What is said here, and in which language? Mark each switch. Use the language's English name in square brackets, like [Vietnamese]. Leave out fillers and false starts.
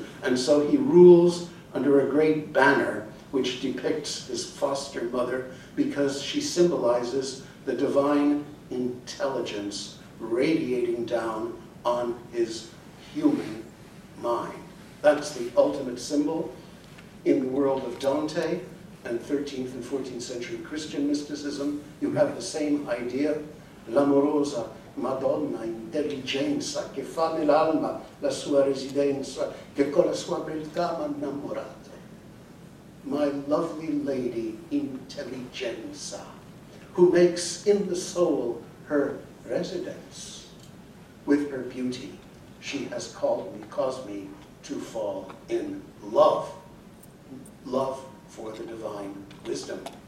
[English] And so he rules under a great banner which depicts his foster mother, because she symbolizes the divine intelligence radiating down on his human mind. That's the ultimate symbol in the world of Dante. And 13th and 14th century Christian mysticism, you have the same idea. [Italian] L'amorosa Madonna intelligenza che fa nell'alma la sua residenza che con la sua beltà m'innamorate. [English] My lovely lady intelligenza, who makes in the soul her residence, with her beauty she has caused me to fall in love. Love for the divine wisdom.